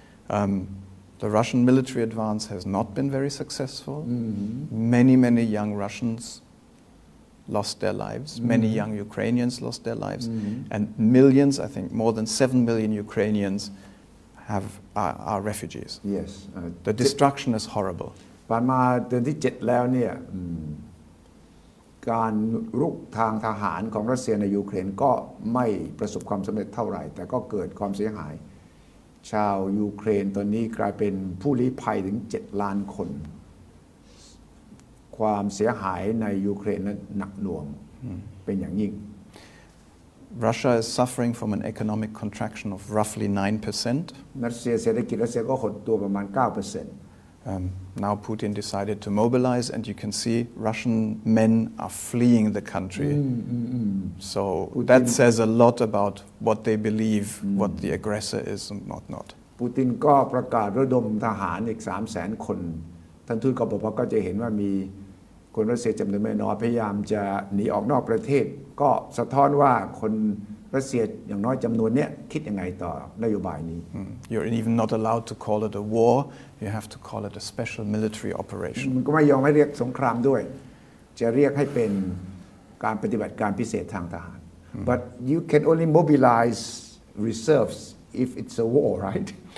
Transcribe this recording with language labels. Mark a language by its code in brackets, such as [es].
[en] The Russian military advance has not been very successful. Mm-hmm. Many, many young Russians lost their lives. Mm-hmm. Many young Ukrainians lost their lives. Mm-hmm. And millions, I think more than 7 million Ukrainians are refugees. Yes. The destruction is horrible. [th] ผ่านมาเดือนที่เจ็ดแล้วเนี่ยการรุกทางทหารของรัสเซียในยูเครนก็ไม่ประสบความสำเร็จเท่าไหร่แต่ก็เกิดความเสียหายชาวยูเครนตอนนี้กลายเป็นผู้ลี้ภัยถึง7 ล้านคนความเสียหายในยูเครนนั้นหนักหน่วง mm. เป็นอย่างยิ่ง [en] Russia is suffering from an economic contraction of roughly 9% [th] รัสเซียเศรษฐกิจรัสเซียก็หดตัวประมาณ 9% [en] Now Putin decided to mobilize, and you can see Russian men are fleeing the country. So Putin, that says a lot about what they believe, what the aggressor is and not. [th] Putin ก็ประกาศระดมทหารอีก 300,000 คนท่านทูตกบพก็จะเห็นว่ามีคนรัสเซียจำนวนไม่น้อยพยายามจะหนีออกนอกประเทศก็สะท้อนว่าคนรัสเซียอย่างน้อยจำนวนเนี้ยคิดยังไงต่อนโยบายนี้ [en] You're even not allowed to call it a war. You have to call it a special military operation. [th] มันก็ไม่ยอมให้เรียกสงครามด้วยจะเรียกให้เป็นการปฏิบัติการพิเศษทางทหาร [en] But you can only mobilize reserves if it's a war, right?